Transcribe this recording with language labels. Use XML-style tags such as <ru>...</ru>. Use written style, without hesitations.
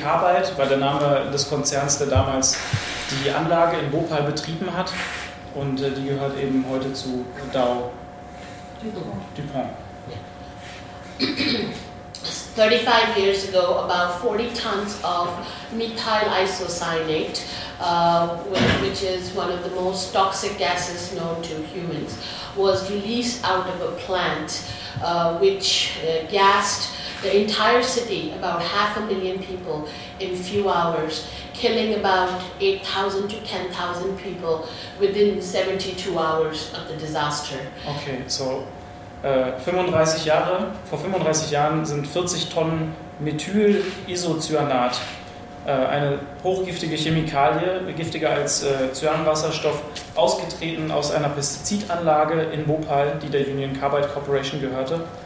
<de>Carbide, war der Name des Konzerns, der damals die Anlage in Bhopal betrieben hat, und die gehört eben heute zu Dow DuPont.</de> <en>35 years ago, about 40 tons of methyl isocyanate, which is one of the most toxic gases known to humans, was released out of a plant which gassed the entire city, about 500,000 people, in a few hours, killing about 8,000 to 10,000 people within 72 hours of the disaster.</en> <de>Okay, so 35 Jahre, vor 35 Jahren sind 40 Tonnen Methylisocyanat, eine hochgiftige Chemikalie, giftiger als Cyanwasserstoff, ausgetreten aus einer Pestizidanlage in Bhopal, die der Union Carbide Corporation gehörte.</de>